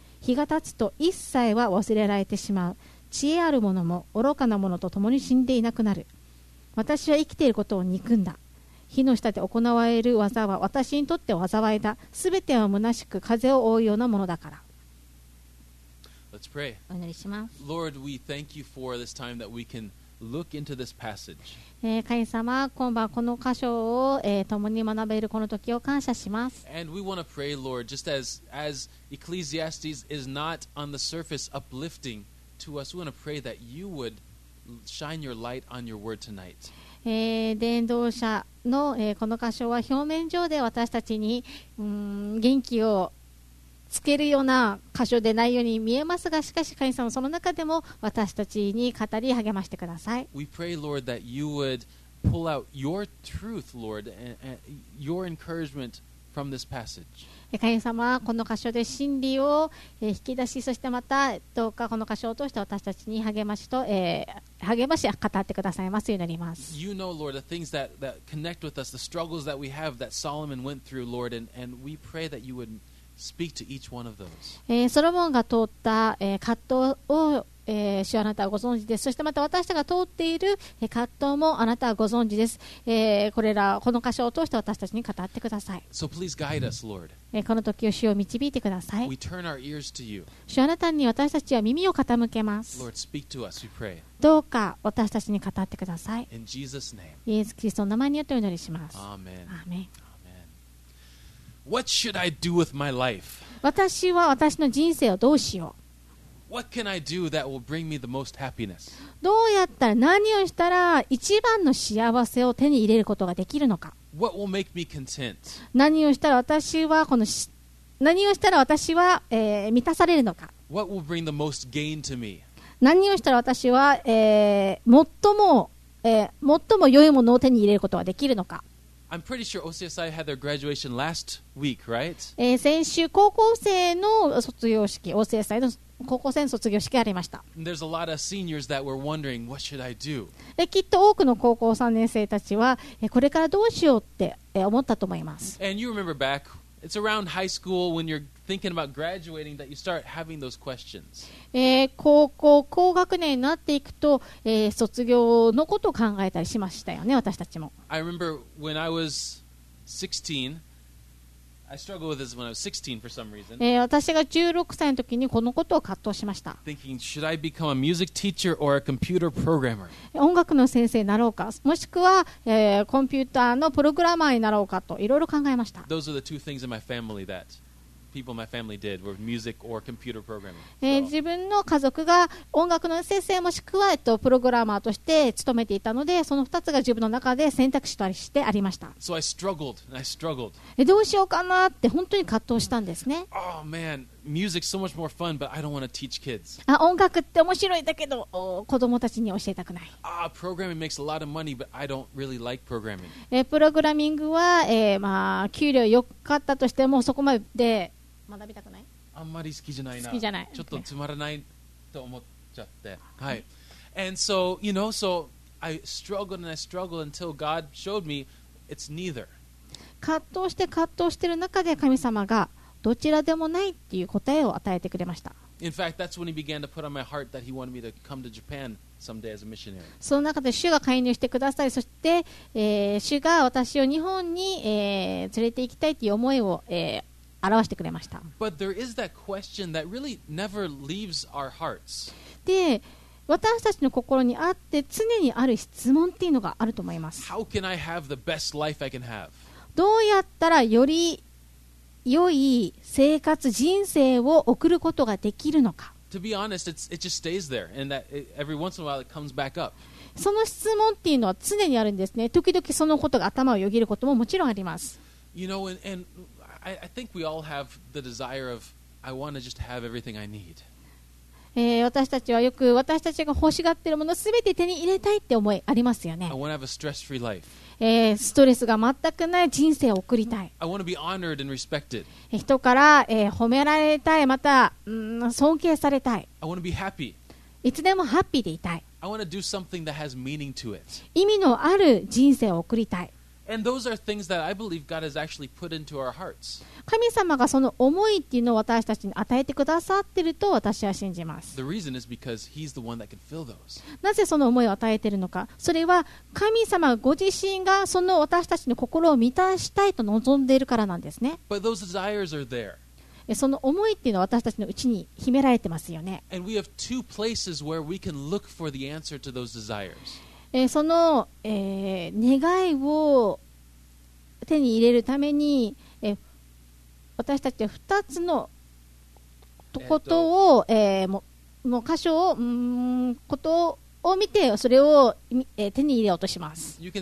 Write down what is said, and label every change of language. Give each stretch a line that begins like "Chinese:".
Japanese: 日が経つと一切は忘れられてしまう。知恵ある者も愚かな者と共に死んでいなくなる。私は生きていることを憎んだ。火の下で行われる技は私にとって災いだ。すべては虚しく風を覆うようなものだから。
English: Let's pray.
Japanese: お祈りします。
English: Lord, we thank you for this time that we can look into this passage.
Japanese: 神様、今晩この箇所を、共に学べるこの時を感謝します。
English: And we want to pray, Lord, just as Ecclesiastes is not on the surface uplifting to us, we want to pray that you would shine your light on your word tonight.
Japanese: 伝道者の、この箇所は表面上で私たちに、元気をつけるような箇所でないように見えますが、しかし神様その中でも私たちに語り励ましてください。
English: We pray, Lord, that you would pull out your truth, Lord, and your encouragement from this passage.
Japanese: 神様はこの箇所で真理を引き出し、そしてまたどうかこの箇所を通して私たちに励まし語ってくださいますようになります。
English: You know, Lord, the things that connect with us, the struggles that we have that Solomon went through, Lord, and we pray that you would. Speak to each one of those.
Japanese: ソロモンが通った、葛藤を、主はあなたはご存知です。そしてまた私たちが通っている、葛藤もあなたはご存知です。これらこの箇所を通して私たちに語ってください。
English: So please guide us, Lord.
Japanese: この時を主を導いてください。
English: We turn our ears to you.
Japanese: 主はあなたに私たちは耳を傾けます。
English: Lord, speak to us, we pray.
Japanese: どうか私たちに語ってください。
English: In Jesus' name.
Japanese: イエス・キリストの名前によってお祈りします。
English: Amen. Amen. What should I do with my life?
Japanese: 私は私の人生をどうしよう?
English: What can I do that will bring me the most happiness?
Japanese: どうやったら、何をしたら一番の幸せを手に入れることができるのか?
English: What will make me content?
Japanese: 何をしたら私はこのし、何をしたら私は、満たされるのか?
English: What will bring the most gain to me?
Japanese: 何をしたら私は、最も良いものを手に入れることができるのか?
English: I'm pretty sure OCSI had their graduation last week, right?
Japanese: 先週高校生の卒業式、OCSI の高校生の卒業式がありました。
English: There's a lot of seniors that were wondering, what should I do?
Japanese: きっと多くの高校3年生たちは、これからどうしようって思ったと思います。
English: And you remember back, it's around high school when you're thinking about graduating that you start having those questions.
Japanese: 高校、高学年になっていくと、卒業のことを考えたりしましたよね、私たちも。
English: I remember when I was 16, I struggled with this when I was 16 for some reason.
Japanese: 私が16歳の時にこのことを葛藤しました。
English: Thinking, should I become a music teacher or a computer programmer?
Japanese: 音楽の先生になろうか、もしくは、コンピューターのプログラマーになろうかといろいろ考えました。
English: Those are the two things in my family that people in my family did were music or computer programming. So.
Japanese: 自分の家族が音楽の先生もしくはプログラマーとして勤めていたので、その2つが自分の中で選択肢としてありました。
English: So I struggled, and I struggled.
Japanese: どうしようかなって本当に葛藤したんですね。
English: Oh man, music's so much more fun, but I don't want to teach kids.
Japanese: 音楽って面白いだけど子供たちに教えたくない。
English: Ah, programming makes a lot of money, but I don't really like programming.
Japanese: プログラミングは、まあ、給料良かったとしてもそこまで学びたくない。あんまり好きじゃないな。好きじゃない。ちょっとつまらないと思っちゃって、はい、
English: And so, you know, so I struggled and I struggled until God showed me it's neither.
Japanese: 葛藤して葛藤してる中で神様がどちらでもないっていう答えを与えてくれました。
English: In fact, that's when he began to put on my heart that he wanted me to come to Japan someday as a missionary.
Japanese: その中で主が介入してくださり、そして、主が私を日本に、連れて行きたいっていう思いを、表してくれました。
English: But there is that question that really never leaves our hearts.
Japanese: で、私たちの心にあって常にある質問っていうのがあると思います。
English: How can I have the best life I can have?
Japanese: どうやったらより良い生活、人生を送ることができるのか。
English: To be honest, it just stays there, and that it, every once in a while it comes back up.
Japanese: その質問っていうのは常にあるんですね。時々そのことが頭をよぎることももちろんあります。
English: You know, and I think we all have the desire of I want to just have everything I need.
Japanese: 私たちはよく私たちが欲しがっているものすべて手に入れたいって思いありますよね。
English: I want to have a stress-free life.
Japanese: ストレスが全くない人生を送りたい。
English: I want to be honored and respected.
Japanese: 人から、褒められたい、また、尊敬されたい。
English: I want to be happy.
Japanese: いつでもハッピーでいたい。
English: I want to do something that has meaning to it.
Japanese: 意味のある人生を送りたい。
English: And those are things that I believe God has actually put into our hearts.
Japanese: 神様がその思いっていうのを私たちに与えてくださってると私は信じます。
English: The reason is because He's the one that can fill those.
Japanese: なぜその思いを与えているのか。それは神様ご自身がその私たちの心を満たしたいと望んでいるからなんですね。
English: But those desires are there.
Japanese: その思いっていうのは私たちのうちに秘められてますよね。
English: And we have two places where we can look for the answer to those desires.
Japanese: その、願いを手に入れるために、私たちは2つのことを、もう箇所をことを見てそれを、手に入れようとします。